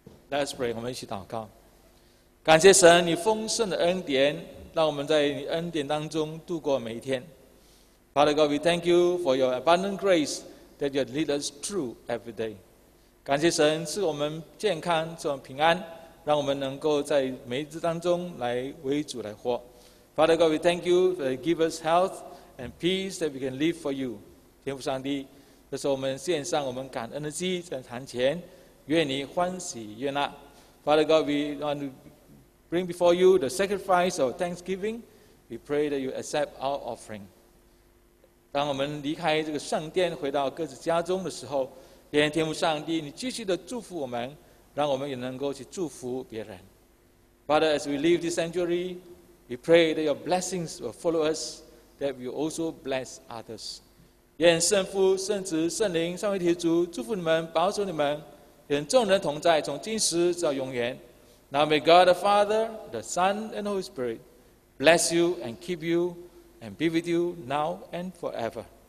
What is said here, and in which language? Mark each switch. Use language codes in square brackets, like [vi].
[en] Let's pray， [zh] 我们一起祷告。感谢神，你丰盛的恩典，让我们在你恩典当中度过每一天。 [en] Father God, we thank you for your abundant grace that you lead us through every day。 [zh] 感谢神，赐我们健康，赐我们平安，让我们能够在每一日当中来为主来活。 [en] Father God, we thank you for give us health and peace that we can live for you。 [zh] 天父上帝，这是我们献上我们感恩的祭在坛前。愿你欢喜悦纳 [en] ，Father God, we want to bring before you the sacrifice of thanksgiving. We pray that you accept our offering. [zh] 当我们离开这个圣殿，回到各自家中的时候，愿天父上帝你继续的祝福我们，让我们也能够去祝福别人。 [en] Father, as we leave this sanctuary, we pray that your blessings will follow us, that we also bless others. [zh] 愿圣父、圣子、圣灵三位一体主祝福你们，保守你们。愿众人同在，从今时到永远。 [en] Now may God the Father, the Son, and Holy Spirit bless you and keep you and be with you now and forever.